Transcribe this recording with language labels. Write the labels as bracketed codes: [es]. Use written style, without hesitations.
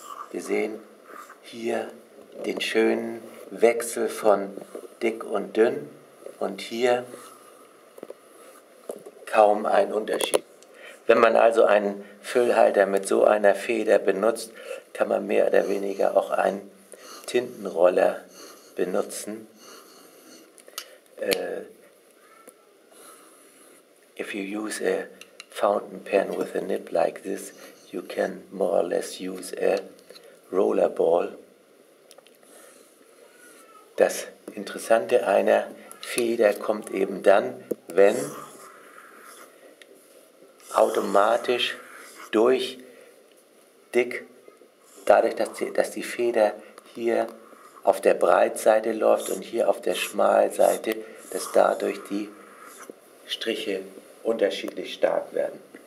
[de] Wir sehen hier den schönen Wechsel von dick und dünn und hier kaum ein Unterschied. Wenn man also einen Füllhalter mit so einer Feder benutzt, kann man mehr oder weniger auch einen Tintenroller benutzen. [en] If you use a fountain pen with a nib like this, you can more or less use a rollerball. [de] Das Interessante einer Feder kommt eben dann, wenn automatisch durch dick, dadurch, dass die Feder hier auf der Breitseite läuft und hier auf der Schmalseite, dass dadurch die Striche unterschiedlich stark werden.